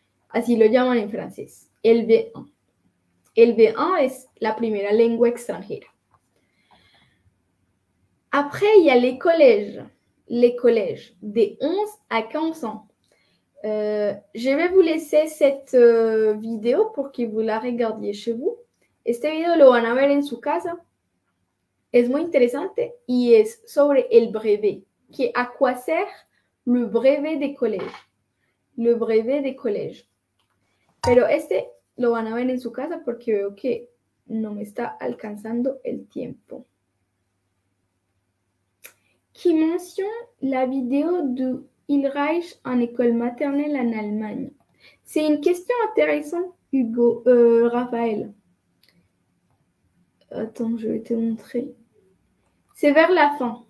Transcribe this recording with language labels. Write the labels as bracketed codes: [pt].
[es] Así lo llaman en [fr] français. LV1. LV1 est la première langue étrangère. Après, il y a les collèges. Les collèges, des 11 à 15 ans. Je vais vous laisser cette vidéo pour que vous la regardiez chez vous. [es] Este video lo van a ver en su casa. Es muy interesante y es sobre el brevet. [fr] ¿Qué, a quoi sert le brevet de collège? Le brevet de collège. [es] Pero este lo van a ver en su casa porque veo que no me está alcanzando el tiempo. [fr] Qui mentionne la vidéo du Hilreich en école maternelle en Allemagne? C'est une question intéressante, Hugo, Raphaël. Attends, je vais te montrer. C'est vers la fin.